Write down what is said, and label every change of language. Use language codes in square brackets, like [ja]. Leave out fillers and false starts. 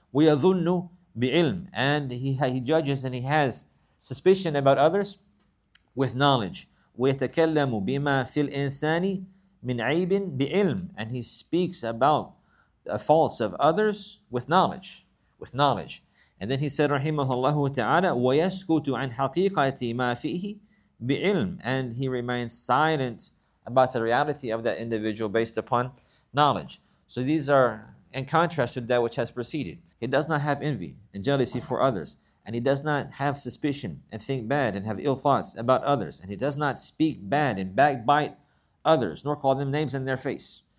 [ar] وَيَظُنُّ بِعِلْمِ. [en] And he judges and he has suspicion about others with knowledge. [ar] وَيَتَكَلَّمُ بِمَا فِي الْإِنسَانِ مِنْ عَيْبٍ بِعِلْمٍ. [en] And he speaks about the faults of others with knowledge. With knowledge. And then he said, [ar] رَحِمَهُ اللَّهُ تَعَالَى وَيَسْكُتُ عَنْ حَقِيقَةِ مَا فِيهِ بِعِلْمٍ. [en] And he remains silent about the reality of that individual based upon knowledge. So these are in contrast to that which has preceded. He does not have envy and jealousy for others. And he does not have suspicion and think bad and have ill thoughts about others. And he does not speak bad and backbite others, nor call them names in their face.